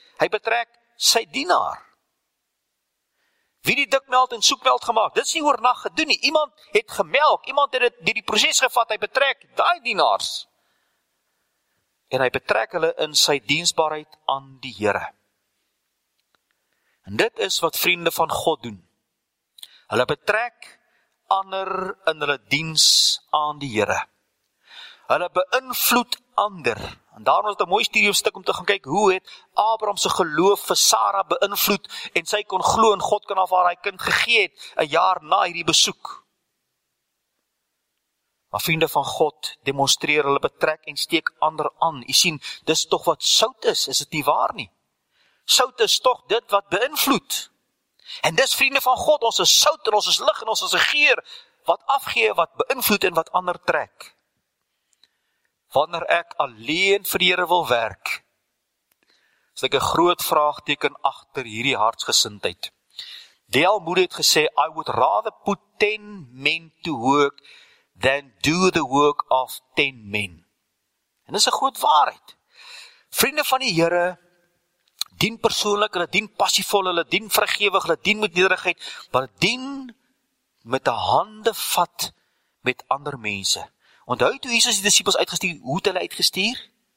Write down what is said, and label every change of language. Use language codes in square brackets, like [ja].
[af] Hy betrek sy dienaar. Wie die dikmeld en soekmeld gemaakt, dit is nie oornag gedoen nie. Iemand het gemelk, iemand het die proses gevat, hy betrek daai dienaars. En hy betrek hulle in sy diensbaarheid aan die Here. En dit is wat vriende van God doen. Hulle betrek ander in hulle diens aan die Here. Hulle beïnvloed ander. En daarom is dit 'n mooi studie stuk om te gaan kyk, hoe het Abraham se geloof vir Sara beïnvloed en sy kon glo en God kon haar daai kind gegee het 'n jaar na hierdie besoek. Maar vriende van God, demonstreer hulle betrek en steek ander aan. U sien, dis toch wat sout is, is het nie waar nie? Sout is toch dit wat beïnvloed. En dis vriende van God, ons is sout en ons is lig en ons is geur, wat afgee, wat beïnvloed en wat ander trek. Wanneer ek alleen vir die Here wil werk, is ek 'n groot vraagteken agter hierdie hartsgesindheid. [en] Dale Moody [af] het gesê, [en] I would rather put 10 men to work than do the work of 10 men. [af] En dis 'n groot waarheid. Vriende van die Here, dien persoonlik, hulle dien passievol, hulle dien vrygewig, hulle dien met nederigheid, maar dien met 'n hande vat met ander mense. Onthou toe Jesus die disippels uitgestuur, hoe het hulle uitgestuur?